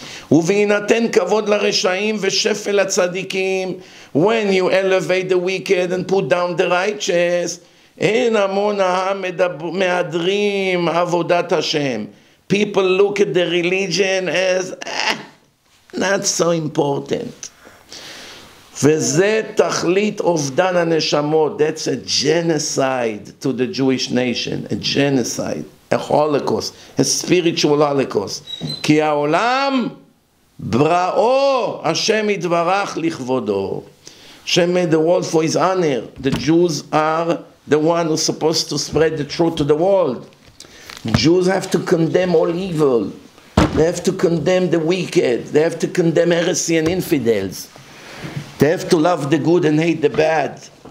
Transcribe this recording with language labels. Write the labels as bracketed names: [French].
[Hebrew] ובהינתן כבוד לרשעים ושפל הצדיקים, [English] when you elevate the wicked and put down the righteous, [Hebrew] אין המון העם מהדרים עבודת השם. [English] People look at the religion as not so important. [Hebrew] וזה תכלית אובדן הנשמות. [English] That's a genocide to the Jewish nation. A genocide. A holocaust. A spiritual holocaust. [Hebrew] כי העולם בראו, השם יתברך לכבודו. [English] Hashem made the world for his honor. The Jews are the one who's supposed to spread the truth to the world. Jews have to condemn all evil. They have to condemn the wicked. They have to condemn heresy and infidels. They have to love the good and hate the bad.